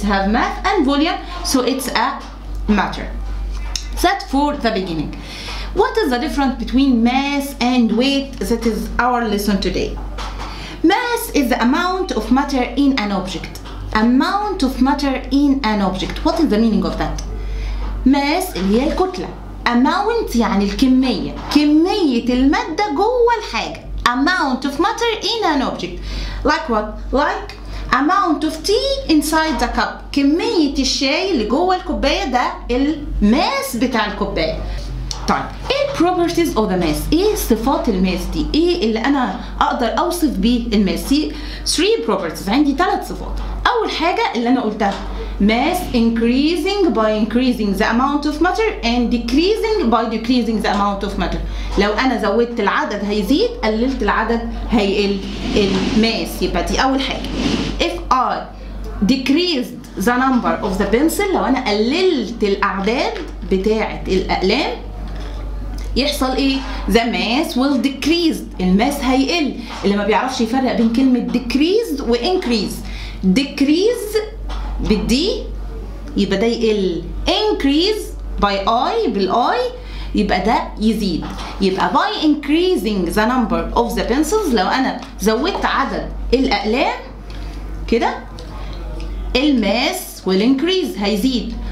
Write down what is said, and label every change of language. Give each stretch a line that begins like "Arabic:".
English: It has mass and volume. So it's a matter. That for the beginning. What is the difference between mass and weight? That is our lesson today. Mass is the amount of matter in an object. Amount of matter in an object. What is the meaning of that?
Arabic: Mass اللي هي الكتلة. Amount يعني الكمية. كمية المادة جوه الحاجة.
English: Amount of matter in an object. Like what? Like amount of tea inside the cup.
Arabic: كمية الشاي اللي جوه الكوباية ده الماس بتاع الكوباية. طيب ايه
English: properties of the mass؟
Arabic: ايه صفات الماس دي؟ ايه اللي انا اقدر اوصف بيه الماس؟ 3 properties. عندي 3 صفات. اول حاجة اللي انا قلتها
English: mass increasing by increasing the amount of matter and decreasing by decreasing the amount of matter.
Arabic: لو انا زودت العدد هيزيد، قللت العدد هيقل الماس. يبقى دي اول حاجة.
English: if I decreased the number of the pencil،
Arabic: لو انا قللت الاعداد بتاعة الاقلام، يحصل ايه؟
English: the mass will decrease.
Arabic: الماس هيقل. اللي ما بيعرفش يفرق بين كلمة decreased و increase. Decrease بالدي يبقى ده يقل.
English: Increase by I
Arabic: بالI يبقى ده يزيد. يبقى
English: by increasing the number of the pencils،
Arabic: لو أنا زودت عدد الأقلام كده الماس
English: will increase،
Arabic: هيزيد.